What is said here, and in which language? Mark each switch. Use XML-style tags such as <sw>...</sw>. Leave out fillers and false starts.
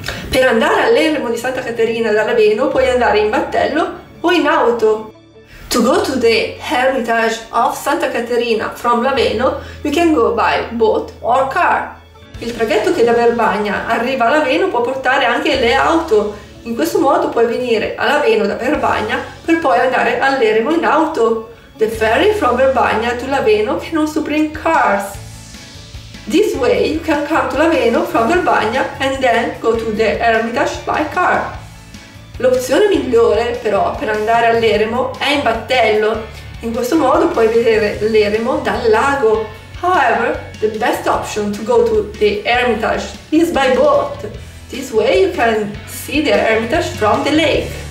<it>Per andare all'Eremo di Santa Caterina da Laveno puoi andare in battello o in auto.</it> <en>To go to the heritage of Santa Caterina from Laveno, you can go by boat or car.</en> <it>Il traghetto che da Verbania arriva a Laveno può portare anche le auto. In questo modo puoi venire a Laveno da Verbania per poi andare all'Eremo in auto.</it> <en>The ferry from Verbania to Laveno can also bring cars. This way you can come to Laveno from Verbania and then go to the Hermitage by car.</en> <it>L'opzione migliore però per andare all'Eremo è in battello. In questo modo puoi vedere l'Eremo dal lago.</it> <en>However, the best option to go to the Hermitage is by boat. This way you can see the Hermitage from the lake.</en>